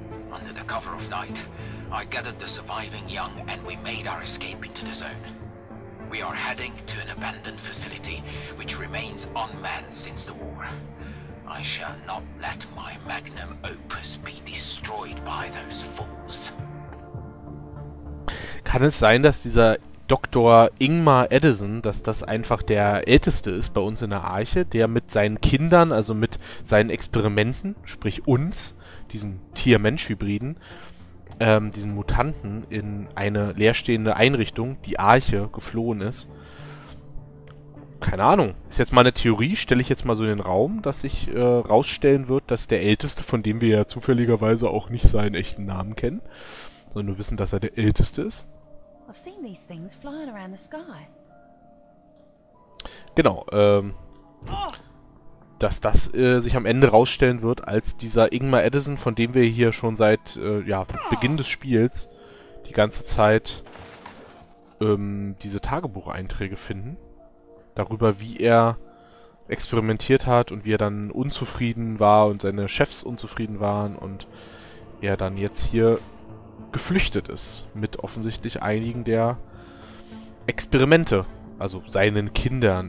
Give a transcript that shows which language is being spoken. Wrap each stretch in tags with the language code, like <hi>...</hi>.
<en>Under the cover of night, I gathered the surviving young and we made our escape into the zone. We are heading to an abandoned facility which remains unmanned since the war. I shall not let my magnum opus be destroyed by those fools.</en> <de>Kann es sein, dass dieser Dr. Ingmar Edison, dass das einfach der Älteste ist bei uns in der Arche, der mit seinen Kindern, also mit seinen Experimenten, sprich uns, diesen Tier-Mensch-Hybriden, diesen Mutanten in eine leerstehende Einrichtung, die Arche, geflohen ist. Keine Ahnung. Ist jetzt mal eine Theorie, stelle ich jetzt mal so in den Raum, dass sich rausstellen wird, dass der Älteste, von dem wir ja zufälligerweise auch nicht seinen echten Namen kennen, sondern nur wissen, dass er der Älteste ist.</de> <en>I've seen these things flying around the sky.</en> <de>Genau. Dass das sich am Ende rausstellen wird, als dieser Ingmar Edison, von dem wir hier schon seit Beginn des Spiels die ganze Zeit diese Tagebucheinträge finden. Darüber, wie er experimentiert hat und wie er dann unzufrieden war und seine Chefs unzufrieden waren und er dann jetzt hier geflüchtet ist mit offensichtlich einigen der Experimente, also seinen Kindern.</de>